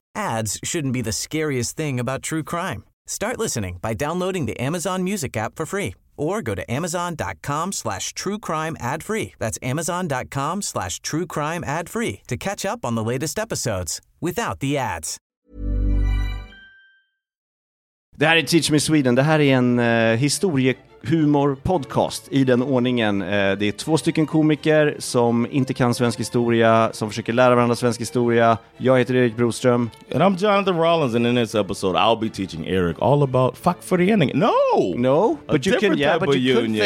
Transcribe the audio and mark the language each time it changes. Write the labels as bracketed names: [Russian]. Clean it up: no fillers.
[English] Ads shouldn't be the scariest thing about true crime. Start listening by downloading the Amazon Music app for free or go to amazon.com/truecrimeadfree. That's amazon.com/truecrimeadfree to catch up on the latest episodes without the ads. [Swedish] Det här är Teach Me Sweden. Det här är en historiehumor-podcast i den ordningen. Det är två stycken komiker som inte kan svensk historia, som försöker lära varandra svensk historia. Jag heter Erik Broström. [English] And I'm Jonathan Rollins, and in this episode I'll be teaching Eric all about fackföreningen. No! No, but a you can, yeah, but you union.